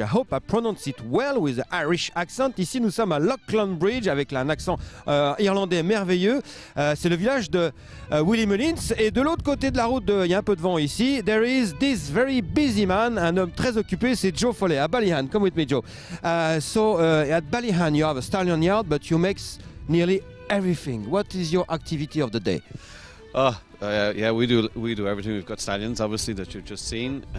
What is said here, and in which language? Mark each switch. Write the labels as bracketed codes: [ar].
[en] I hope I pronounce it well with the Irish accent. [fr] Ici, nous sommes à Loughlin Bridge avec un accent irlandais merveilleux. C'est le village de Willie Mullins. Et de l'autre côté de la route, il y a un peu de vent ici. [en] There is this very busy man, [fr] un homme très occupé, c'est Joe Foley. [en] À Ballyhan, come with me, Joe. At Ballyhan, you have a stallion yard, but you make nearly everything. What is your activity of the day? We do everything. We've got stallions, obviously, that you've just seen.